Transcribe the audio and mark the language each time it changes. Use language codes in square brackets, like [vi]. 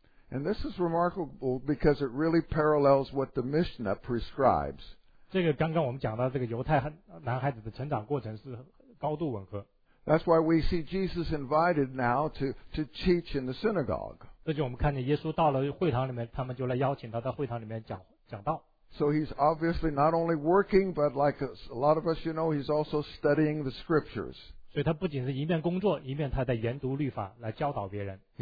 [en] And this is remarkable because it really parallels what the Mishnah prescribes. [zh] 这个刚刚我们讲到这个犹太男孩子的成长过程是高度吻合。 [en] That's why we see Jesus invited now to teach in the synagogue. [zh] 这就我们看见耶稣到了会堂里面，他们就来邀请他到会堂里面讲道。 [en] So he's obviously not only working, but like a lot of us, you know, he's also studying the scriptures. [zh] 所以他不仅是一面工作，一面他在研读律法来教导别人。